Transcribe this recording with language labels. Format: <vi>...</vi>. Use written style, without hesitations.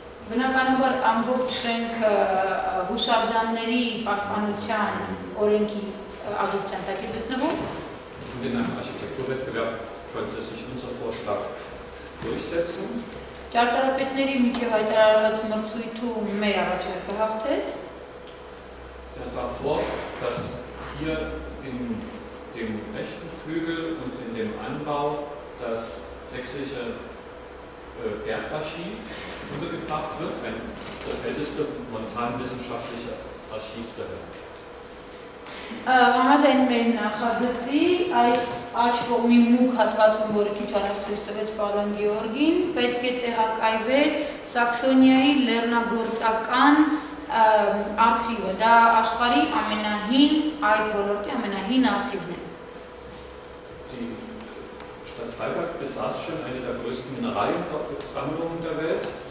<hy>Բնականաբար ամբողջ շենքը հուշարձանների պաշտպանության օրենքի ազգության տակ է գտնվում։</hy> <de>Wenn ein Architekturwettbewerb könnte sich unser Vorschlag durchsetzen.</de> <hy>Ճարտարապետների միջև այդ հայտարարված մրցույթը մեր առաջարկը հաղթեց։</hy> <de>Das sah vor, dass hier in dem rechten Flügel und in dem Anbau das sächsische Bergarchiv untergebracht wird, ein das älteste montanwissenschaftliche Archiv der Welt.</de> <hy>Համար են մեր նախագծի այս աջ կողմի մուգ հատվածում, որը քիչ առաջ ցույց տվեց պարոն Գեորգին, պետք է տեղակայվեր Սաքսոնիայի լեռնագործական արխիվը, դա աշխարհի ամենահին այդ ոլորտի ամենահին արխիվն է։</hy> <de>Stadt Freiberg besaß schon eine der größten Mineraliensammlungen der Welt.</de>